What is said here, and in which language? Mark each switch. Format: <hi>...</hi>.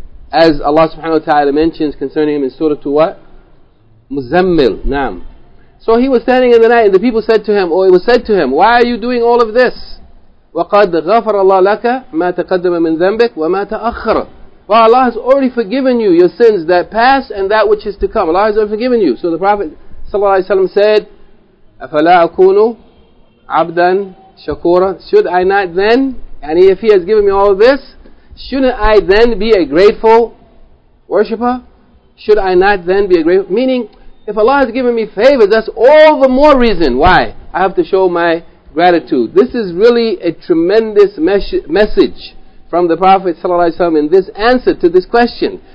<en>As Allah subhanahu wa ta'ala mentions concerning him in Surah to what? Muzammil. Naam. So he was standing in the night and the people said to him, or it was said to him, why are you doing all of this?</en> <ar>وَقَدْ غَفَرَ اللَّهُ لَكَ مَا تَقَدَّمَ مِنْ ذَنْبِكَ وَمَا تَأَخَّرَ.</ar> <en>Well, Allah has already forgiven you your sins that pass and that which is to come. Allah has already forgiven you. So the Prophet ﷺ said,</en> <ar>أَفَلَا أَكُونُ عَبْدًا شَكُورًا.</ar> <en>Should I not then, and if He has given me all of this, shouldn't I then be a grateful worshipper? Should I not then be a grateful? Meaning, if Allah has given me favors, that's all the more reason why I have to show my gratitude. This is really a tremendous message from the Prophet ﷺ in this answer to this question.</en>